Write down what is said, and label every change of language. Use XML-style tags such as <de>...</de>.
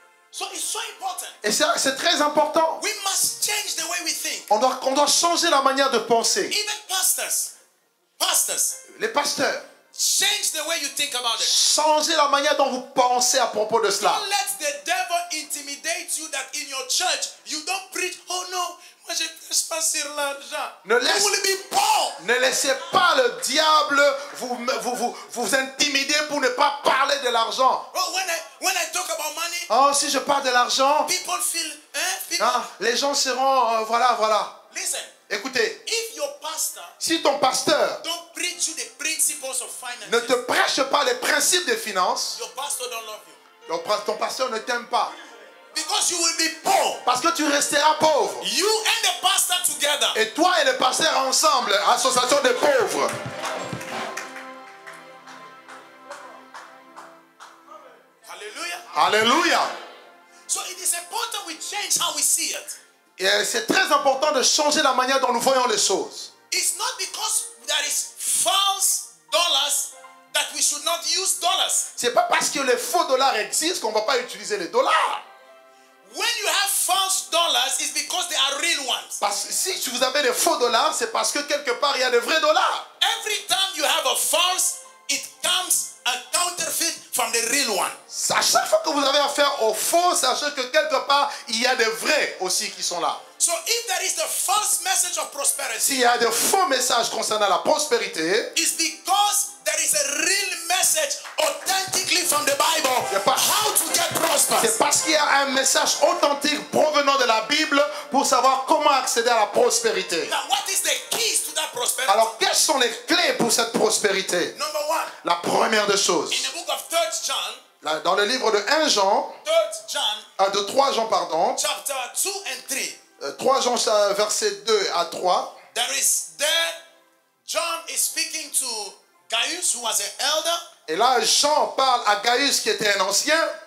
<en>So it's so important.</en> <fr>Et c'est très important.</fr> <en>We must change the way we think.</en> <fr>On doit changer la manière de penser.</fr> <en>Even pastors.</en> <fr>Les pasteurs.</fr> <en>Change the way you think about it.</en> <fr>Changez la manière dont vous pensez à propos de cela.</fr> <en>Don't let the devil intimidate you that in your church you don't preach. Oh no,</en> <fr>moi je prêche pas sur l'argent. Ne laissez pas le diable vous intimider pour ne pas parler de l'argent.</fr> <en>Oh, when I talk about money.</en> <fr>Oh, si je parle de l'argent.</fr> <en>People feel, hein, people.</en> <fr>Hein, les gens seront voilà.</fr> <en>Listen.</en> <fr>Écoutez,</fr> <en>if your pastor,</en> <fr>si ton pasteur</fr> <en>don't preach you the principles of finances,</en> <fr>ne te prêche pas les principes des finances,</fr> <en>your pastor don't love you.</en> <fr>Ton pasteur ne t'aime pas.</fr> <en>Because you will be poor.</en> <fr>Parce que tu resteras pauvre.</fr> <en>You and the pastor together.</en> <fr>Et toi et le pasteur ensemble, association des pauvres.</fr> <en>Hallelujah.</en> <fr>Hallelujah.</fr> <en>So it is important we change how we see it.</en> <fr>Et c'est très important de changer la manière dont nous voyons les choses.</fr> <en>It's not because there is false dollars that we should not use dollars.</en> <fr>C'est pas parce que les faux dollars existent qu'on va pas utiliser les dollars.</fr> <en>When you have false dollars, it's because they are real ones.</en> <fr>Parce que si vous avez des faux dollars, c'est parce que quelque part il y a des vrais dollars.</fr> <en>Every time you have a false, it comes a counterfeit from the real one.</en> <fr>À chaque fois que vous avez affaire au faux, sachez que quelque part il y a des vrais aussi qui sont là.</fr> <en>So if there is a false message of prosperity,</en> <fr>s'il y a des faux messages concernant la prospérité,</fr> <en>it's because there is a real message authentically from the Bible.</en> <fr>C'est parce,</fr> <en>how to get prosperous.</en> <fr>C'est parce qu'il y a un message authentique provenant de la Bible pour savoir comment accéder à la prospérité.</fr> <en>Now, what is the keys to that prosperity?</en> <fr>Alors, quelles sont les clés pour cette prospérité?</fr> <en>Number one,</en> <fr>la première des choses.</fr> <en>In the book of 3 John,</en> <fr>là, dans le livre de 1 Jean,</fr> <en>3 John,</en> <fr>de 3 Jean, pardon,</fr> <en>chapter 2 and 3,</en> <fr>3 Jean, verset 2 à 3,</fr> <en>there is there, John is speaking to Gaius, who was an elder.</en> <fr>Et là, Jean parle à Gaius qui était un ancien.</fr>